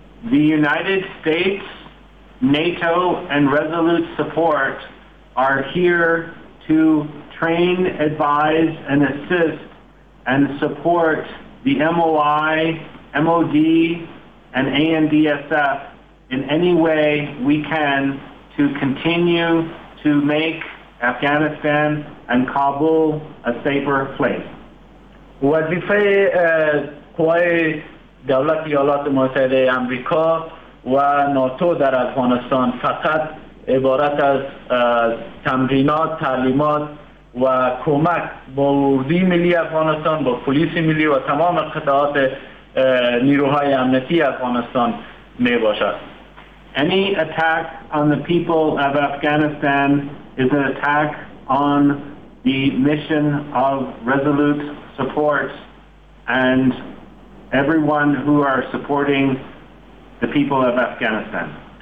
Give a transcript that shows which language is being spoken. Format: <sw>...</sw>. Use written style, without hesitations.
<en>The United States, NATO and Resolute Support are here to train, advise, and assist and support the MOI, MOD, and ANDSF in any way we can to continue to make Afghanistan and Kabul a safer place. What we say, quite</en> <fa>دولت ایالات متحده امریکا و ناتو در افغانستان فقط عبارت از تمرینات، تعلیمات و کمک با اردوی ملی افغانستان، با پلیس ملی و تمام قطعات نیروهای امنیتی افغانستان می باشد.</fa> <en>Any attack on the people of Afghanistan is an attack on the mission of resolute support and everyone who are supporting the people of Afghanistan.</en>